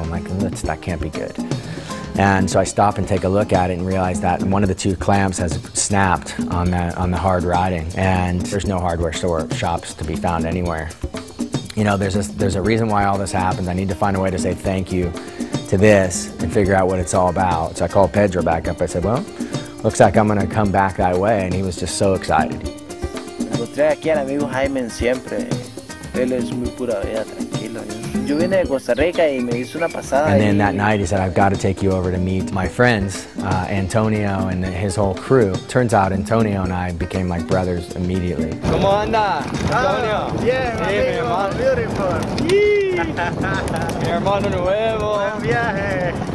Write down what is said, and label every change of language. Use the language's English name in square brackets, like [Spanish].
[English] I'm like, that can't be good. And so I stop and take a look at it and realize that one of the two clamps has snapped on the hard riding, and there's no hardware store shops to be found anywhere. You know, there's a reason why all this happens. I need to find a way to say thank you to this and figure out what it's all about. So I called Pedro back up. I said, well, looks like I'm gonna come back that way. And he was just so excited. [Spanish] encontré aquí al amigo Jaime siempre. Él es muy pura vida, tranquilo. Yo vine de Costa Rica y me hizo una pasada. [English] And then that night he said, I've got to take you over to meet my friends, Antonio and his whole crew. Turns out Antonio and I became like brothers immediately. [Spanish] ¿Cómo anda, Antonio? Bien, amigo. Bien, mi hermano. [English] Beautiful. [Spanish] Mi hermano nuevo. Buen viaje.